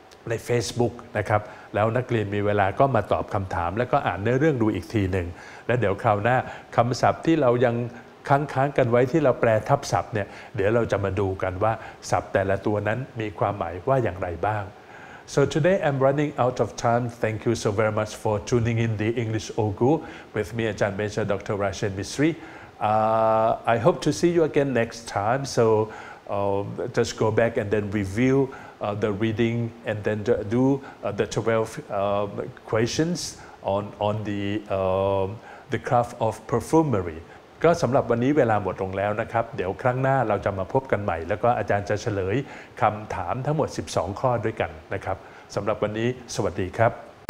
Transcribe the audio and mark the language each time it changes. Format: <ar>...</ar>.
<th>น Facebook นะครับแล้วนักเรียนมีเวลาก็มาตอบคำถามแล้วก็อ่านเนื้อเรื่องดูอีกทีหนึ่งและเดี๋ยวคราวหน้าคำศัพท์ที่เรายัง ค้างๆกันไว้ที่เราแปลทับศัพท์เนี่ยเดี๋ยวเราจะมาดูกันว่าศัพท์แต่ละตัวนั้นมีความหมายว่าอย่างไรบ้าง</th> <en>So today I'm running out of time. Thank you so very much for tuning in the English Ogu with me, Ajahn Mecha, Dr. Rashid Misri. I hope to see you again next time. So just go back and then review the reading and then do the 12 questions on the craft of perfumery.</en> <th>ก็สำหรับวันนี้เวลาหมดลงแล้วนะครับเดี๋ยวครั้งหน้าเราจะมาพบกันใหม่แล้วก็อาจารย์จะเฉลยคำถามทั้งหมด12ข้อด้วยกันนะครับสำหรับวันนี้สวัสดีครับ</th>